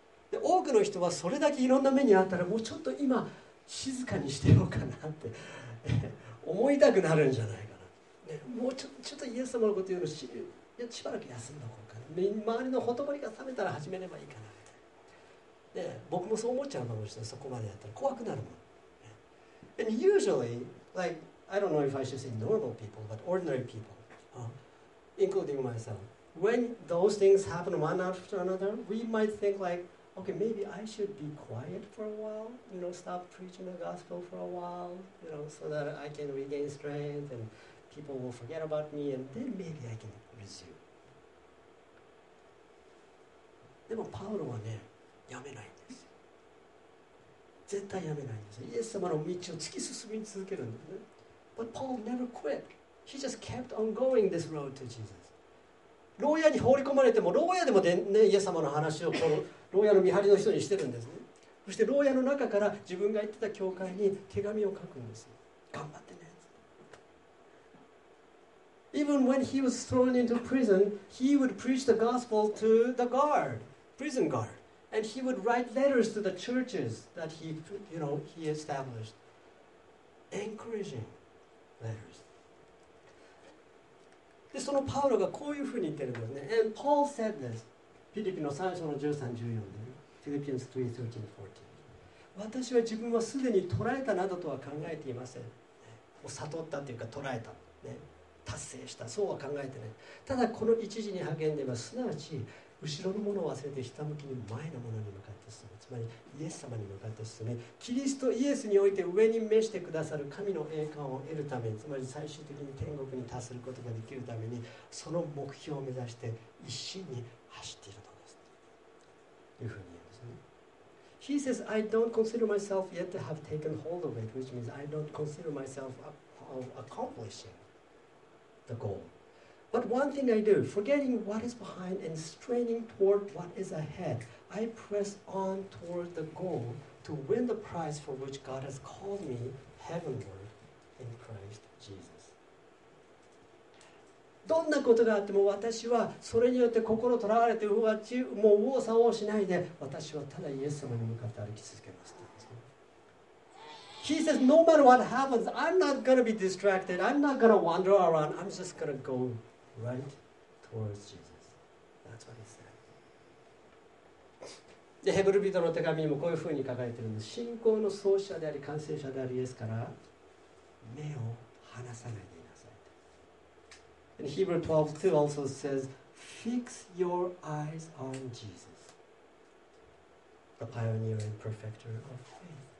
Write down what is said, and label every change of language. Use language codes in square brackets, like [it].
[ja] で、多くの人はそれだけいろんな目にあったら、もうちょっと今静かにしてようかなって思いたくなるんじゃないかな。ね、もうちょっとイエス様のこと言うのし、いや、しばらく休んどこう。周りのほとぼりが冷めたら始めればいいかなって。で、僕もそう思っちゃうかもしれない。そこまでやったら怖くなるもん。 [en] And usually, like, I don't know if I should say normal people, but ordinary people, including myself, when those things happen one after another, we might think like, okay, maybe I should be quiet for a while, you know, stop preaching the gospel for a while, you know, so that I can regain strength and people will forget about me, and then maybe I can resume. [ja] でもパウロはね、やめないんですよ。絶対やめないんですよ。イエス様の道を突き進み続けるんですね。 [en] But Paul never quit. He just kept on going this road to Jesus. [ja] 牢屋に放り込まれても、牢屋でもで、ね、イエス様の話をこの牢屋の見張りの人にしてるんですね。そして牢屋の中から自分が行ってた教会に手紙を書くんですよ。頑張ってね。 [en] Even when he was thrown into prison, he would preach the gospel to the guard, prison guard. And he would write letters to the churches that he, you know, he established. Encouraging letters. [ja] で、そのパウロがこういうふうに言ってるんですね。 [en] And Paul said this. [ja] フィリピの最初の13、14で。 [en] Philippians 3:13-14. [ja] 私は自分はすでに捕らえたなどとは考えていません。もう悟ったというか捕らえた。ね。達成した、そうは考えてない。ただこの一時に励んでいます。すなわち後ろのものを忘れてひたむきに前のものに向かって進む、つまりイエス様に向かって進め、キリストイエスにおいて上に召してくださる神の栄冠を得るために、つまり最終的に天国に達することができるために、その目標を目指して一心に走っているのですというふうに言うんですね。 [en] He says I don't consider myself yet to have taken hold of it, which means I don't consider myself of accomplishingThe goal. But one thing I do, forgetting what is behind and straining toward what is ahead, I press on toward the goal to win the prize for which God has called me heavenward in Christ Jesus. [ja] どんなことがあっても私はそれによって心とらわれて、もう右往左往しないで、私はただイエス様に向かって歩き続けます。 [en] He says, no matter what happens, I'm not going to be distracted. I'm not going to wander around. I'm just going to go right towards Jesus. That's what he said. [ja] で、ヘブル人の手紙にもこういうふうに書かれているんです。信仰の創始者であり、完成者であるイエスから目を離さないでいなさい。 [en] And Hebrews 12:2 also says, fix your eyes on Jesus, the pioneer and perfecter of faith.